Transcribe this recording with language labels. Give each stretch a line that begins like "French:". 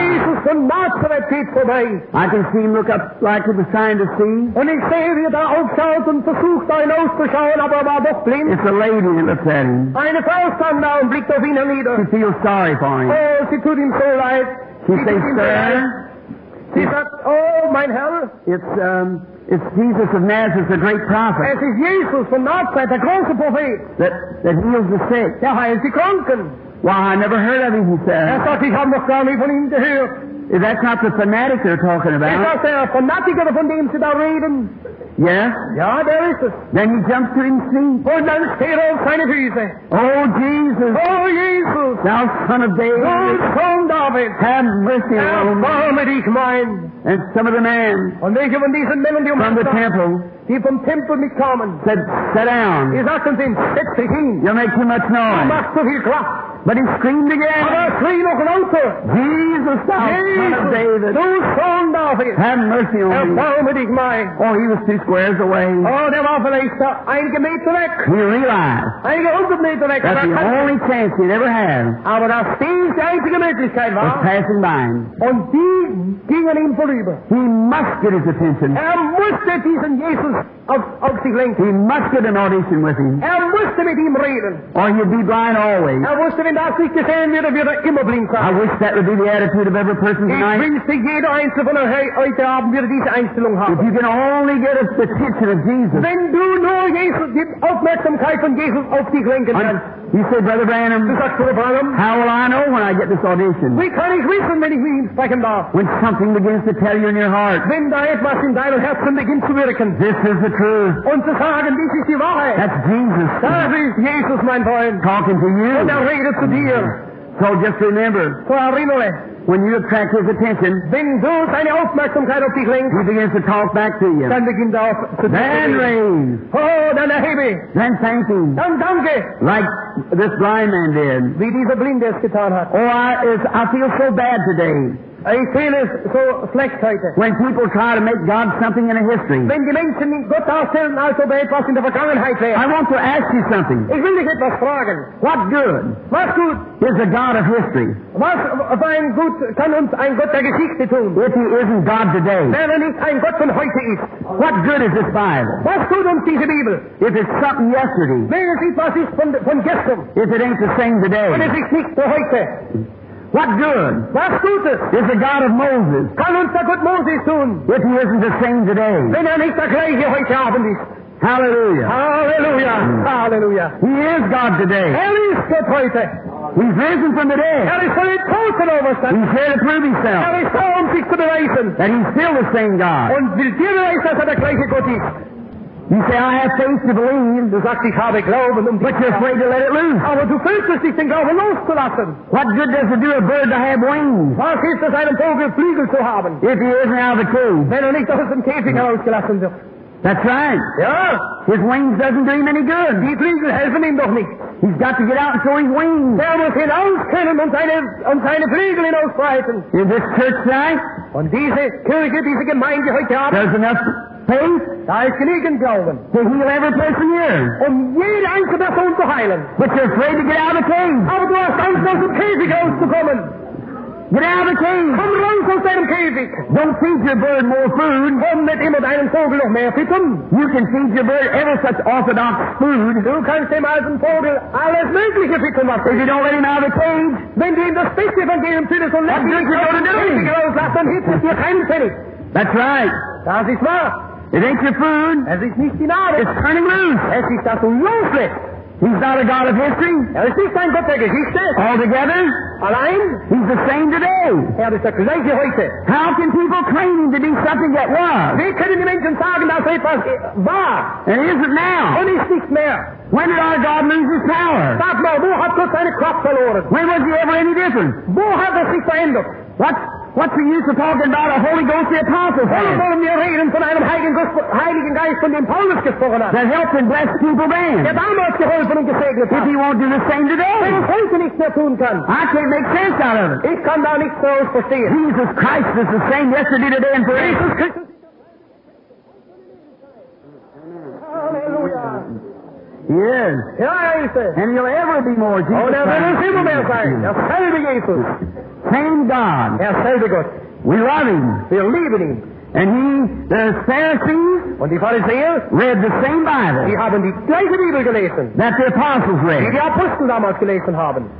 German: Jesus von Nazareth geht vorbei.
English: I can see him look up like he was trying to see.
German: Und ich sehe, wie er da aufschaut und versucht, ein auszuschauen, aber er war doch blind.
English: It's a lady in the setting.
German: Eine Frau stand da und blickt auf ihn hernieder.
English: She feels sorry for him.
German: Oh, sie tut ihm so leid.
English: She says, sir.
German: Sie sagt, oh, mein Herr.
English: It's Jesus of Nazareth, the great prophet.
German: Es ist Jesus von Nazareth, der große Prophet.
English: That heals the sick.
German: Der heilt die Kranken.
English: Why, I never heard of him, he said.
German: Er sagt, ich habe noch gar nie von ihm gehört.
English: Is that not the fanatic they're talking about?
German: Ist das der Fanatiker, von dem sie da reden?
English: Yes.
German: Ja,
English: there is it. Then he jumps to his feet.
German: Und dann steht er auf seine Füße.
English: Oh, Jesus. Oh, Jesus. Thou son of David. Oh, son David. Have mercy on
German: me. Erbarme dich mein.
English: And some of the men.
German: Und welche von diesen Männern, die
English: from the temple.
German: Die vom Tempel mitkamen.
English: Said, sit down.
German: Die sagten zu ihm,
English: sit to him. You'll make too much noise.
German: Du machst zu viel Krach.
English: But he screamed again.
German: Aber schrie noch lauter.
English: Jesus, thou son of David.
German: Du Sohn David.
English: Have mercy on me.
German: Erbarme dich mein.
English: Oh, he was two squares away.
German: Oh, der war vielleicht einige Meter weg.
English: He realized.
German: Einige hundert Meter weg.
English: That's the only chance he'd ever had.
German: Aber das ist die einzige Möglichkeit, war.
English: Was passing by him.
German: Und die gingen ihm vorüber.
English: He must get his attention.
German: Musste diesen Jesus auf sich lenken.
English: He must get an audition with him.
German: Musste mit ihm reden.
English: Or he'd be blind always.
German: Musste Und das ich gesehen würde, würde immer blind sein.
English: I wish that would be the attitude of every person tonight.
German: Ich wünschte, jeder Einzelne von euch heute Abend würde diese Einstellung haben.
English: If you can only get us the attention of Jesus.
German: Wenn du nur Jesus, die Aufmerksamkeit von Jesus auf dich lenken kannst.
English: You say, Brother Branham,
German: du sagst, Brother Branham,
English: how will I know when I get this audition?
German: Wie kann ich wissen, wenn ich ihn sprechen darf?
English: When something begins to tell you in your heart.
German: Wenn da etwas in deinem Herzen beginnt zu wirken.
English: This is the truth.
German: Und zu sagen, dies ist die Wahrheit.
English: That's Jesus.
German: Das ist Jesus, mein Freund.
English: Talking to you.
German: Und er redet zu dir.
English: So just remember.
German: So erinnere.
English: When you attract his attention.
German: Wenn du seine Aufmerksamkeit auf dich lenkst.
English: He begins to talk back to you.
German: Dann beginnt er zu
English: dir. Then raise.
German: Oh, dann erhebe.
English: Then thank him.
German: Dann danke.
English: Like this blind man did.
German: Wie dieser Blinde es getan hat.
English: Oh, I feel so bad today. I feel it so
German: schlecht heute.
English: When people try to make God something in a history.
German: Wenn die Menschen Gott darstellen, als ob etwas in der Vergangenheit wäre.
English: I want to ask you something.
German: Ich will dich etwas fragen.
English: What good?
German: Was gut?
English: Is a God of history.
German: Was für ein gut kann uns ein Gott der Geschichte tun?
English: If he isn't God today.
German: Wenn er nicht ein Gott von heute ist.
English: What good is this Bible?
German: Was tut uns diese Bibel?
English: If it's something yesterday.
German: Wenn es etwas ist von gestern.
English: If it ain't the same today.
German: Wenn es nicht für heute.
English: What good?
German: Was tut es?
English: Is the God of Moses?
German: Kann uns der Gott Moses tun?
English: If he isn't the same today.
German: Wenn er nicht der gleiche heute Abend ist.
English: Hallelujah.
German: Hallelujah. Hallelujah.
English: He is God today.
German: Er ist Gott heute.
English: He's risen from the dead.
German: Er ist von den Toten auferstanden.
English: He's here to prove himself.
German: Er ist da, um sich zu beweisen.
English: That he's still the same God.
German: Und will dir beweisen, dass er der gleiche Gott ist.
English: You say, I have faith to believe.
German: Du sagst, ich habe Glauben.
English: But you're afraid to let it loose.
German: Aber du fürchtest dich, den Glauben loszulassen.
English: What good does it do a bird to have wings?
German: Was hilft es einem Vogel, Flügel zu haben?
English: If he isn't out of the cage.
German: Wenn er nicht aus dem Käfig herausgelassen wird.
English: That's right.
German: Ja.
English: His wings doesn't do him any good.
German: Die Flügel helfen ihm doch nicht.
English: He's got to get out and show his wings.
German: Er muss hinauskönnen und seine Flügel hinausbreiten.
English: In this church tonight?
German: Und diese Kirche, diese Gemeinde heute Abend?
English: There's enough faith?
German: Da ist genügend Glauben.
English: To heal every person here.
German: Um jede einzelne Person zu heilen.
English: But you're afraid to get out of the cage.
German: Aber du hast Angst, aus dem Käfig rauszukommen.
English: Get out of the cage.
German: Komm raus aus deinem Käfig.
English: Don't feed your bird more food.
German: Komm mit immer deinem Vogel noch mehr füttern.
English: You can feed your bird ever such orthodox food.
German: Du kannst dem alten Vogel alles Mögliche füttern.
English: If you don't let him out of the cage.
German: Wenn du ihm das Beste von jedem füttest und lässt ihn aus dem Käfig rauslassen, dann hilft es dir kein Pfennig.
English: That's right.
German: Das ist wahr.
English: It ain't your food.
German: Es ist nicht die Nahrung.
English: It's turning loose.
German: Es ist das Loslassen.
English: He's not a God of history.
German: Er ist nicht ein Gott der Geschichte.
English: Altogether.
German: Allein.
English: He's the same today.
German: Er ist der gleiche heute.
English: How can people claim him to be something that was?
German: Wie können die Menschen sagen, dass etwas war?
English: And he isn't now.
German: Und ist nicht mehr.
English: When did our God lose his power?
German: Sag mal, wo hat Gott seine Kraft verloren?
English: When was he ever any different?
German: Wo hat er sich verändert?
English: What's the use of talking about a Holy Ghost the Apostle?
German: Warum wollen wir reden von einem Heiligen Geist, von dem Paulus gesprochen hat?
English: That helped and blessed people then.
German: Der damals geholfen und gesegnet hat.
English: If he won't do the same today.
German: Wenn es heute nichts mehr tun kann.
English: I can't make sense out of it.
German: Ich kann da nichts mehr verstehen.
English: Jesus Christ is the same yesterday, today and forever.
German: Jesus Christus ist der gleiche. Halleluja.
English: He is.
German: Ja, er ist
English: es. And he'll ever be more Jesus Christ.
German: Und er wird es immer mehr sein. Dasselbe Jesus.
English: Same God.
German: Er selbe Gott.
English: We love him.
German: Wir lieben ihn.
English: And he, the Pharisees,
German: und die Pharisäer,
English: read the same Bible.
German: Die haben die gleiche Bibel gelesen.
English: That the apostles read.
German: Die Apostel damals gelesen haben.